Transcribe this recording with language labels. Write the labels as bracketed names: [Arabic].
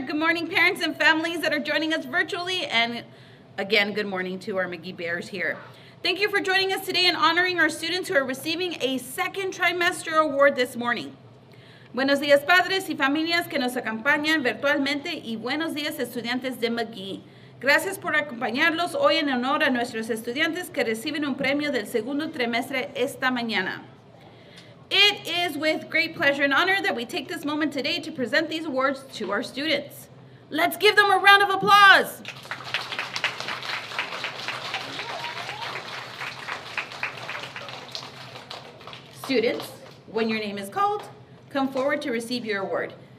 [English] Good morning, parents and families that are joining us virtually. And again, good morning to our McGee Bears here. Thank you for joining us today and honoring our students who are receiving a second trimester award this morning. [Spanish] Buenos días, padres y familias que nos acompañan virtualmente, y buenos días, estudiantes de McGee. Gracias por acompañarlos hoy en honor a nuestros estudiantes que reciben un premio del segundo trimestre esta mañana. [English] It is with great pleasure and honor that we take this moment today to present these awards to our students. Let's give them a round of applause. Students, when your name is called, come forward to receive your award.